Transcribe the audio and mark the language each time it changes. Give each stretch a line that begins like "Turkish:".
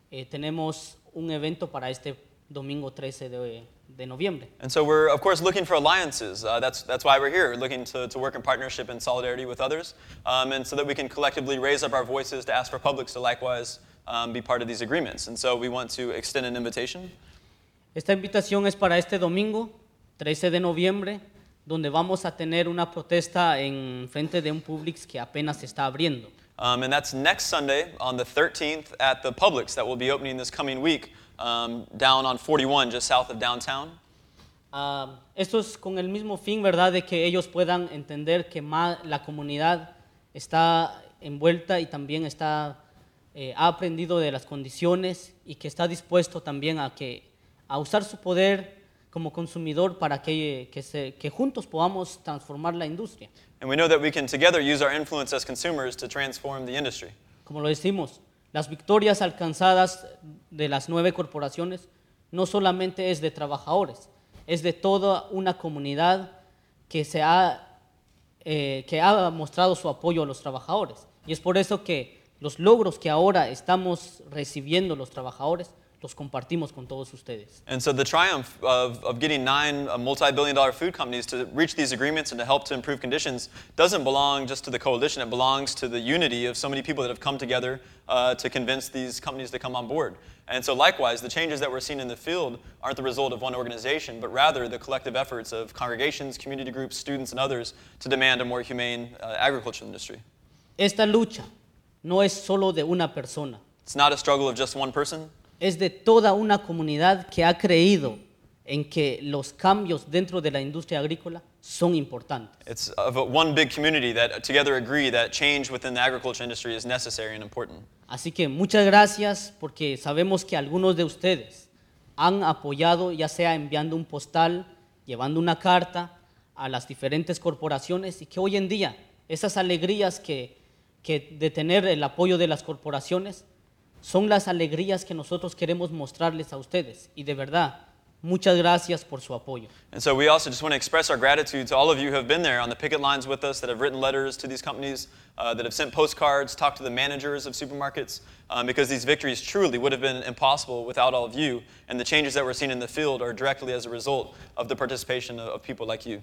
Spanish: Tenemos un evento para este domingo 13 de noviembre.
English: And so we're, of course, looking for alliances. That's why we're here, looking to work in partnership and solidarity with others, and so that we can collectively raise up our voices to ask for Publix to likewise be part of these agreements. And so we want to extend an invitation.
Spanish: Esta invitación es para este domingo, 13 de noviembre, donde vamos a tener una protesta en frente de un Publix que apenas está abriendo.
English: And that's next Sunday on the 13th at the Publix that will be opening this coming week down on 41, just south of downtown.
Spanish: Esto es con el mismo fin, ¿verdad?, de que ellos puedan entender que más la comunidad está envuelta y también está... ha aprendido de las condiciones y que está dispuesto también a usar su poder como consumidor para que juntos podamos transformar la industria.
English: And we know that we can together use our influence as consumers to transform the industry.
Spanish: Como lo decimos, las victorias alcanzadas de las nueve corporaciones no solamente es de trabajadores, es de toda una comunidad que se ha que ha mostrado su apoyo a los trabajadores. Y es por eso que los logros que ahora estamos recibiendo los trabajadores los compartimos con todos ustedes.
English: And so the triumph of getting nine multi-billion-dollar food companies to reach these agreements and to help to improve conditions doesn't belong just to the coalition. It belongs to the unity of so many people that have come together to convince these companies to come on board. And so likewise, the changes that we're seeing in the field aren't the result of one organization, but rather the collective efforts of congregations, community groups, students, and others to demand a more humane agricultural industry.
Spanish: Esta lucha no es solo de una persona.
English: It's not a struggle of just one person.
Spanish: Es de toda una comunidad que ha creído en que los cambios dentro de la industria agrícola son importantes.
English: It's of one big community that together agree that change within the agriculture industry is necessary and important.
Spanish: Así que muchas gracias porque sabemos que algunos de ustedes han apoyado ya sea enviando un postal, llevando una carta a las diferentes corporaciones y que hoy en día esas alegrías que de tener el apoyo de las corporaciones son las alegrías que nosotros queremos mostrarles a ustedes y de verdad muchas gracias por su apoyo.
English: And so we also just want to express our gratitude to all of you who have been there on the picket lines with us, that have written letters to these companies, that have sent postcards, talked to the managers of supermarkets, because these victories truly would have been impossible without all of you, and the changes that we're seeing in the field are directly as a result of the participation of people like you.